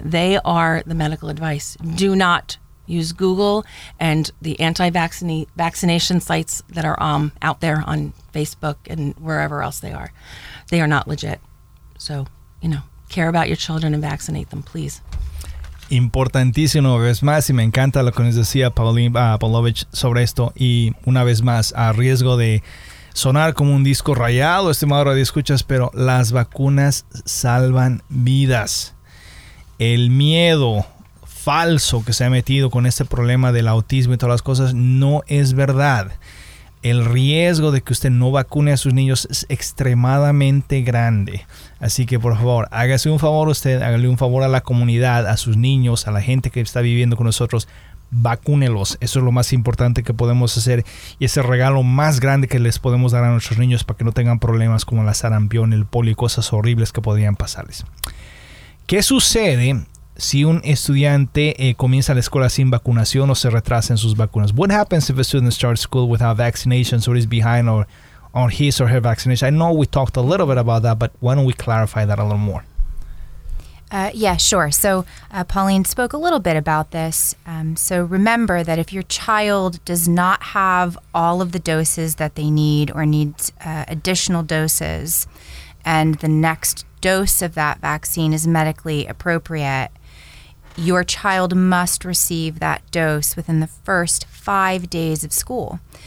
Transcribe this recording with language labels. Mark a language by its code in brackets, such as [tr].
[en] They are the medical advice. Do not use Google and the anti-vaccination sites that are out there on Facebook and wherever else they are. They are not legit. So, you know, care about your children and vaccinate them, please. [es] Importantísimo una vez más, y me encanta lo que nos decía Pauline Pavlovich sobre esto. Y una vez más, a riesgo de sonar como un disco rayado, estimado radioescuchas, pero las vacunas salvan vidas. El miedo falso que se ha metido con este problema del autismo y todas las cosas no es verdad. el riesgo de que usted no vacune a sus niños es extremadamente grande. Así que, por favor, hágase un favor usted, hágale un favor a la comunidad, a sus niños, a la gente que está viviendo con nosotros. Vacúnelos. Eso es lo más importante que podemos hacer y es el regalo más grande que les podemos dar a nuestros niños para que no tengan problemas como la sarampión, el polio y cosas horribles que podrían pasarles. ¿Qué sucede si un estudiante comienza la escuela sin vacunación o se retrasa en sus vacunas? [en] What happens if a student starts school without vaccinations or is behind on his or her vaccination? I know we talked a little bit about that, but why don't we clarify that a little more? Sure. So Pauline spoke a little bit about this. So remember that if your child does not have all of the doses that they need or needs additional doses, and the next dose of that vaccine is medically appropriate, your child must receive that dose within the first 5 days of school.